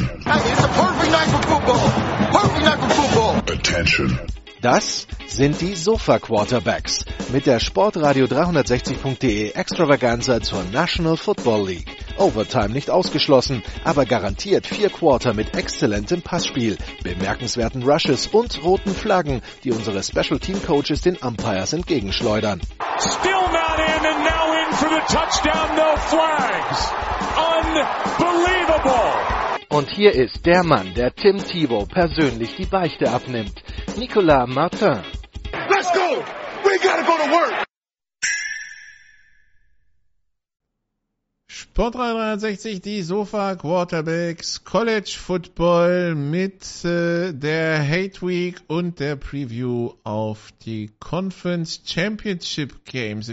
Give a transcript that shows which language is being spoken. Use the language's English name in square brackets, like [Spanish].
[English] Hey, it's a perfect night for football. Perfect night for football. Attention. [German] Das sind die Sofa-Quarterbacks mit der Sportradio 360.de Extravaganza zur National Football League. Overtime nicht ausgeschlossen, aber garantiert vier Quarter mit exzellentem Passspiel, bemerkenswerten Rushes und roten Flaggen, die unsere Special Team Coaches den Umpires entgegenschleudern. [English] Still not in and now in for the touchdown, no flags. Unbelievable. [German] Und hier ist der Mann, der Tim Tebow persönlich die Beichte abnimmt. Nicolas Martin. [English] Let's go! We gotta go to work! [German] Sport 360, die Sofa Quarterbacks, College Football mit der Hate Week und der Preview auf die Conference Championship Games.